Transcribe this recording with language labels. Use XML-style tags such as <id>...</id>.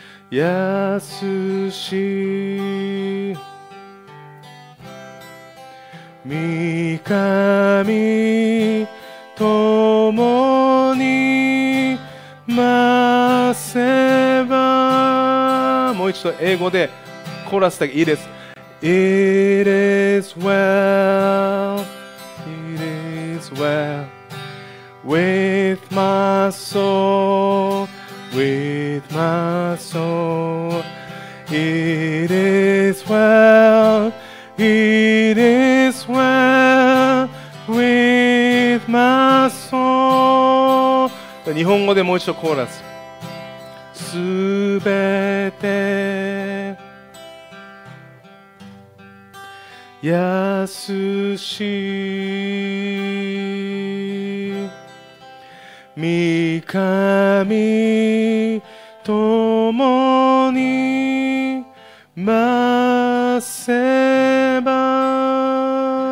<ja>安し三上共にませば。もう一度英語でコーラスだけいいです。</ja> <en>It is well, it is well with my soul, with my soul. It is well, it is well with my soul.</en> <ja>日本語でもう一度コーラス。すべて安し三上共にませば。</ja>